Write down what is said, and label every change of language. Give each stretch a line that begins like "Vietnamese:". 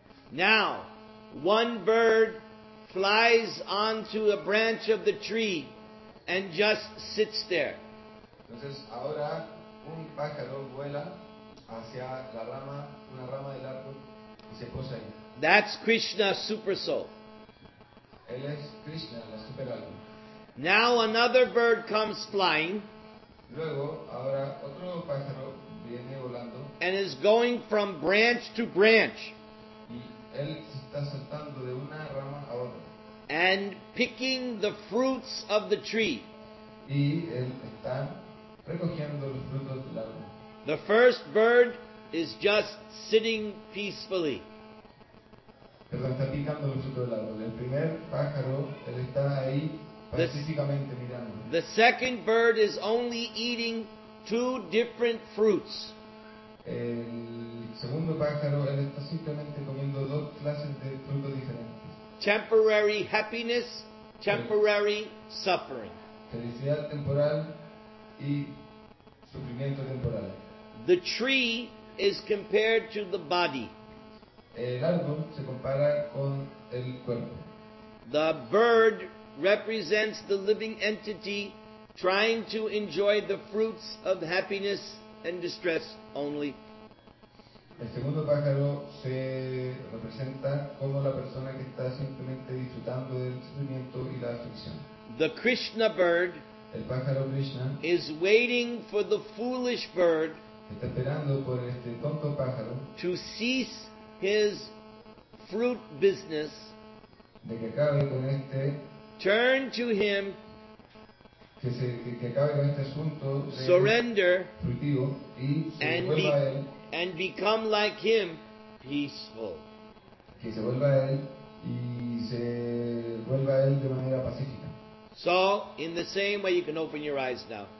English: Now, one bird flies onto a branch of the tree and just sits there.
Spanish: Entonces, ahora un pájaro vuela hacia la rama, una rama del árbol, y se posa ahí.
English: That's Krishna super soul.
Spanish: Él es Krishna, la super alma.
English: Now another bird comes flying.
Spanish: Luego, ahora otro pájaro viene volando.
English: And is going from branch to branch.
Spanish: Y él está saltando de una rama a otra.
English: And picking the fruits of the tree.
Spanish: Y él está recogiendo los frutos del árbol.
English: The first bird is just sitting peacefully.
Spanish: Perdón, está picando los frutos del árbol. El primer pájaro, él está ahí pacíficamente mirando.
English: The second bird is only eating two different fruits.
Spanish: El segundo pájaro, él está simplemente comiendo dos clases de frutos diferentes.
English: Temporary happiness, temporary suffering.
Spanish: Felicidad temporal y sufrimiento temporal.
English: The tree is compared to the body.
Spanish: El árbol se compara con el cuerpo.
English: The bird represents the living entity trying to enjoy the fruits of happiness and distress only.
Spanish: El segundo pájaro se representa como la persona que está simplemente disfrutando del sufrimiento y la aflicción.
English: The Krishna bird,
Spanish: el pájaro Krishna,
English: is waiting for the foolish bird,
Spanish: está esperando por este tonto pájaro,
English: to cease his fruit business,
Spanish: de que acabe con este,
English: turn to him,
Spanish: que acabe con este asunto,
English: surrender,
Spanish: frutivo, y se vuelva a él,
English: and become like him, peaceful.
Spanish: Que se vuelva a él y se vuelva a él de manera pacífica.
English: So, in the same way, you can open your eyes now.